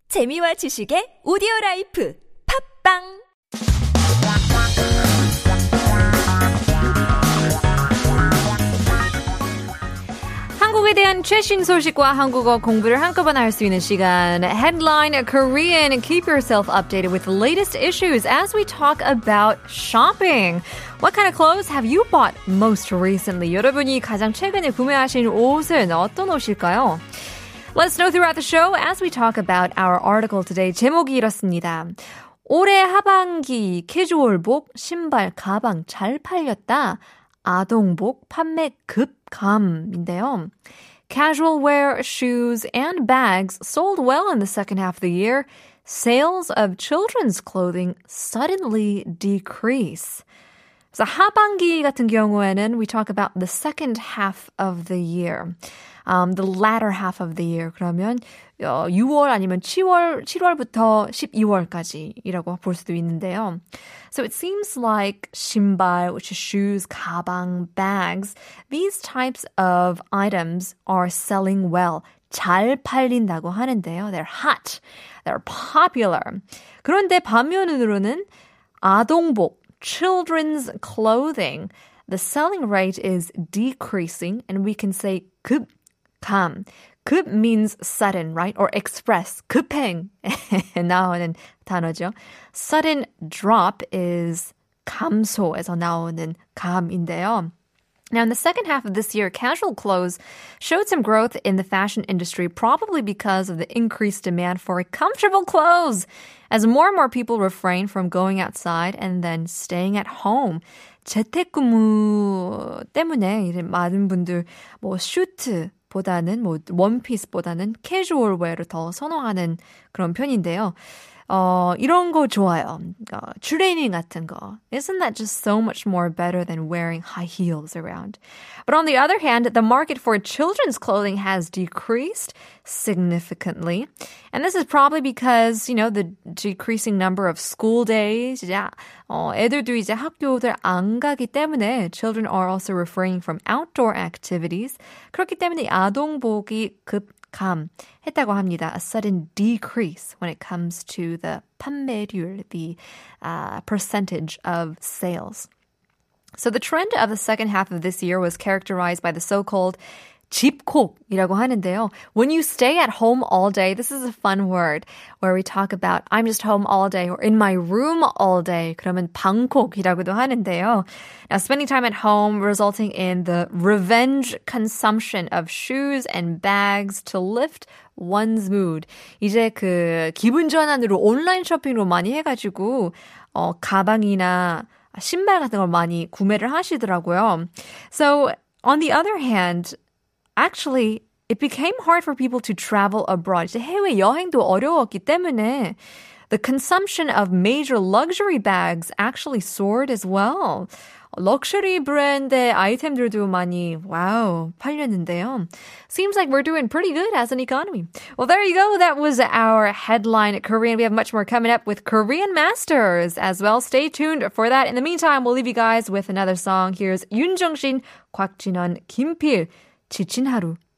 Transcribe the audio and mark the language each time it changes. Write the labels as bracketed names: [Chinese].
[Korean] 재미와 지식의 오디오라이프 팝빵 한국에 대한 최신 소식과 한국어 공부를 한꺼번에 할 수 있는 시간 Headline Korean [English] Keep yourself updated with the latest issues as we talk about shopping. What kind of clothes have you bought most recently? [Korean] 여러분이 가장 최근에 구매하신 옷은 어떤 옷일까요? [English] Let us know throughout the show as we talk about our article today. [Korean] 제목이 이렇습니다. 올해 하반기 캐주얼복, 신발, 가방 잘 팔렸다. 아동복 판매 급감인데요. [English] Casual wear, shoes, and bags sold well in the second half of the year. Sales of children's clothing suddenly decrease. So [Korean] 하반기 같은 경우에는 [English] we talk about the second half of the year. The latter half of the year, [Korean] 그러면 6월 아니면 7월, 7월부터 12월까지이라고 볼 수도 있는데요. [English] So it seems like 신발, which is shoes, 가방, bags, these types of items are selling well. [Korean] 잘 팔린다고 하는데요. [English] They're hot, they're popular. [Korean] 그런데 반면으로는 [English] 아동복, children's clothing, the selling rate is decreasing, and we can say 급 Come. 급 means sudden, right? Or express. 급행. [Korean] 나오는 단어죠. [English] Sudden drop is [Korean] 감소에서 나오는 감인데요. [English] Now, in the second half of this year, casual clothes showed some growth in the fashion industry, probably because of the increased demand for comfortable clothes, as more and more people refrain from going outside and then staying at home. [Korean] 재택근무 때문에 이제 많은 분들 뭐 슈트, 보다는 뭐 원피스보다는 캐주얼 웨어를 더 선호하는 그런 편인데요. 이런 거 좋아요. 트레이닝 같은 거. [English] Isn't that just so much more better than wearing high heels around? But on the other hand, the market for children's clothing has decreased significantly. And this is probably because, you know, the decreasing number of school days. [Korean] 이제, 애들도 이제 학교들 안 가기 때문에 [English] children are also refraining from outdoor activities. [Korean] 그렇기 때문에 아동복이 급 감했다고 합니다. [English] A sudden decrease when it comes to the 판매율, the percentage of sales. So the trend of the second half of this year was characterized by the so-called [Korean] 집콕이라고 하는데요. [English] When you stay at home all day, this is a fun word where we talk about I'm just home all day or in my room all day. [Korean] 그러면 방콕이라고도 하는데요. [English] Now, spending time at home resulting in the revenge consumption of shoes and bags to lift one's mood. [Korean] 이제 그 기분 전환으로 온라인 쇼핑으로 많이 해가지고 가방이나 신발 같은 걸 많이 구매를 하시더라고요. [English] So, on the other hand, Actually, it became hard for people to travel abroad. [Korean] 이제 해외 여행도 어려웠기 때문에 [English] the consumption of major luxury bags actually soared as well. [Korean] 럭셔리 브랜드의 아이템들도 많이 와우 팔렸는데요. [English] Seems like we're doing pretty good as an economy. Well, there you go. That was our headline at Korean. We have much more coming up with Korean Masters as well. Stay tuned for that. In the meantime, we'll leave you guys with another song. Here's 윤종신, 곽진원, 김필. 지친 하루